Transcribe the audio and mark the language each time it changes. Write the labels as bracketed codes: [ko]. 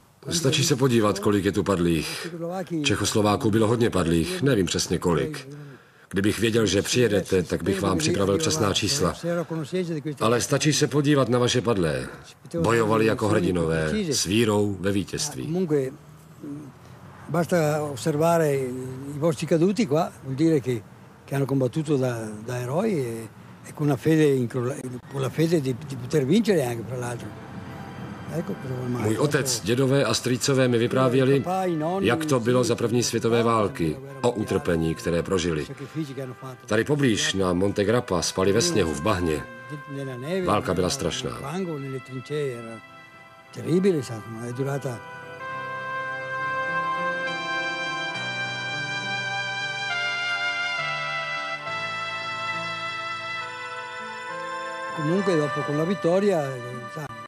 [cs] Stačí se podívat, kolik je tu padlých. Čechoslováků bylo hodně padlých, nevím přesně kolik. Kdybych věděl, že přijedete, tak bych vám připravil přesná čísla. Ale stačí se podívat na vaše padlé. Bojovali jako hrdinové, s vírou ve vítězství. [it] Basta osservare i vostri caduti qua, vuol dire che hanno combattuto da eroi e con la fede di poter vincere anche fra l'altro. [cs] Můj otec, dědové a strýcové mi vyprávěli, jak to bylo za první světové války, o utrpení, které prožili. Tady poblíž na Monte Grappa spali ve sněhu, v bahně. Válka byla strašná.